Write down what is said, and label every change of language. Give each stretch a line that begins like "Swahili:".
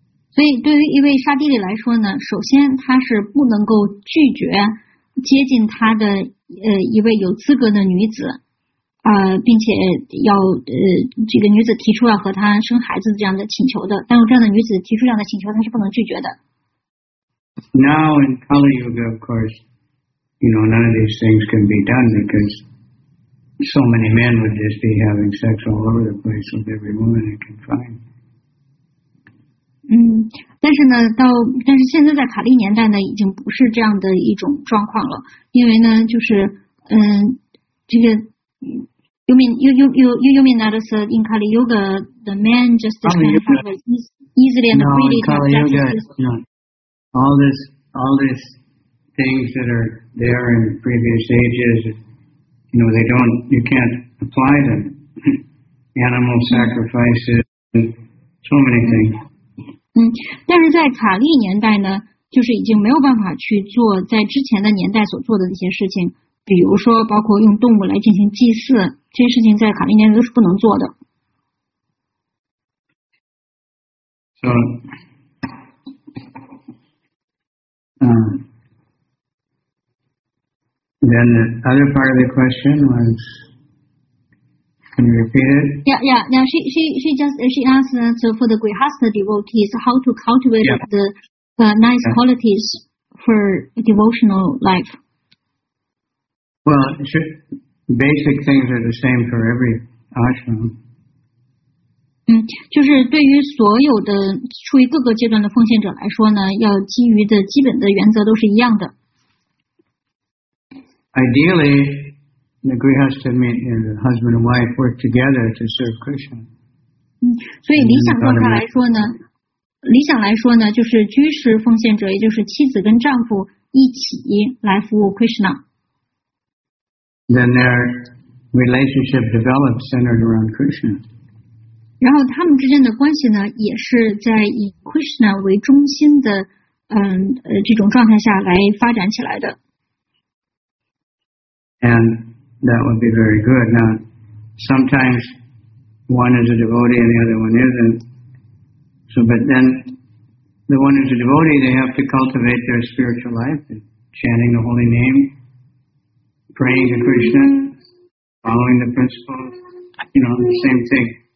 Chinese: 所以对于一位刹帝利来说呢，首先他是不能够拒绝接近他的一位有资格的女子。并且要这个女子提出要和他生孩子这样的请求的，但是这样的女子提出这样的请求，她是不能拒绝的。
English: Now in Kali Yuga, of course, none of these things can be done because so many men would just be having sex all over the place with every woman they can find.
Chinese: 但是现在在卡利年代呢，已经不是这样的一种状况了，因为呢，就是这个。
English: You mean that is in Kali Yuga the man just can have easily and freely to have sex with all these things that are there in previous ages you can't apply them animal sacrifices so many things.
Chinese: 但是在卡利年代呢，就是已经没有办法去做在之前的年代所做的一些事情。比如说包括用动物来进行祭祀，这些事情在卡利年代都是不能做的。
English: So, the Then the other part of the question was, can you repeat it? Yeah. She asked for the Grihastha devotees how to cultivate the nice qualities for devotional life. Well, basic things are the same for every ashram.
Chinese: 就是对于所有的处于各个阶段的奉献者来说呢，要基于的基本的原则都是一样的。
English: Ideally, the grihastha and the husband and wife work together to serve Krishna.
Chinese: 所以理想状态来说呢，理想来说呢，就是居士奉献者，也就是妻子跟丈夫一起来服务 Krishna。
English: Then their relationship develops centered around Krishna.
Chinese: 然后他们之间的关系呢，也是在以 Krishna 为中心的，这种状态下来发展起来的。
English: And that would be very good. Now, sometimes one is a devotee and the other one isn't. So, but then the one who's a devotee, they have to cultivate their spiritual life, chanting the holy name, praying to Krishna, following the principles, you know, the same thing.